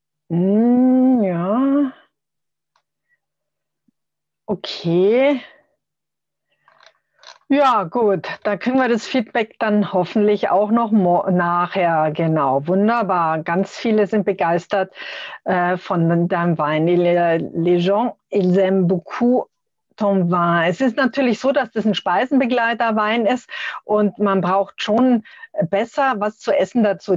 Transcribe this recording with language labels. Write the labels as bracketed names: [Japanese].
[German] ja. Okay. Ja, gut, da kriegen wir das Feedback dann hoffentlich auch noch nachher. Genau, wunderbar. Ganz viele sind begeistert von deinem Wein. [French] Les gens, ils aiment beaucoup ton vin. [German] Es ist natürlich so, dass das ein Speisenbegleiterwein ist und man braucht schon besser was zu essen dazu.